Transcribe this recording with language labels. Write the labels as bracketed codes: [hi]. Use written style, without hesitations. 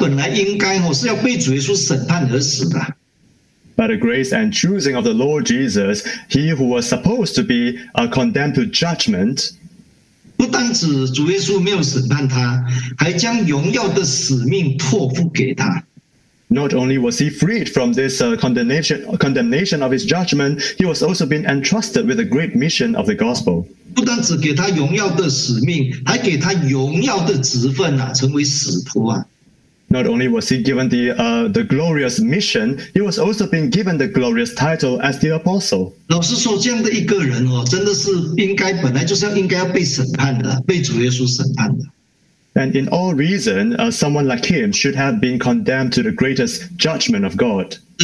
[zh] 他蒙主耶稣的恩惠啊，蒙主耶稣拣选，他本来应该哦是要被主耶稣审判而死的。 [en] By the grace and choosing of the Lord Jesus, he who was supposed to be condemned to judgment. [zh] 不单止主耶稣没有审判他，还将荣耀的使命托付给他。 [en] Not only was he freed from this condemnation of his judgment, he was also being entrusted with a great mission of the gospel. [zh] 不单只给他荣耀的使命，还给他荣耀的职分啊，成为使徒啊。 [en] Not only was he given the glorious mission, he was also being given the glorious title as the apostle. [zh] 老实说，这样的一个人哦，真的是应该本来就是应该要被审判的，被主耶稣审判的。 [en] And in all reason, someone like him should have been condemned to the greatest judgment of God.